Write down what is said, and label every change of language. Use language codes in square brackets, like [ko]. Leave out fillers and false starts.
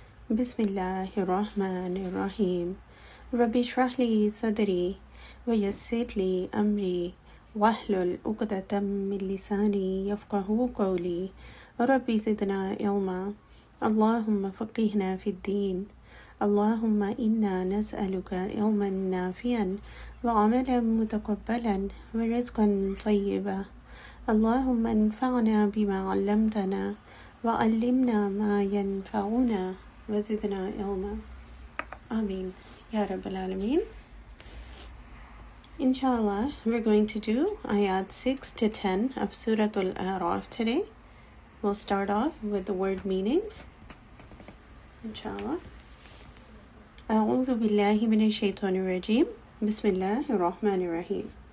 [ar] بسم الله الرحمن الرحيم. رب اشرح لي صدري ويسر لي أمري واحلل عقدة من لساني يفقه قولي رب زدنا علما اللهم فقهنا في الدين اللهم إنا نسألك علما نافعا وعملا متقبلا ورزقا طيبا. اللهم انفعنا بما علمتنا وعلمنا ما ينفعنا وزدنا علما. آمين يا رب العالمين. [en] Inshallah, we're going to do ayat 6 to 10 of Surah Al-A'raf today. We'll start off with the word meanings. Inshallah. [ar] أعوذ بالله من الشيطان الرجيم بسم الله الرحمن الرحيم.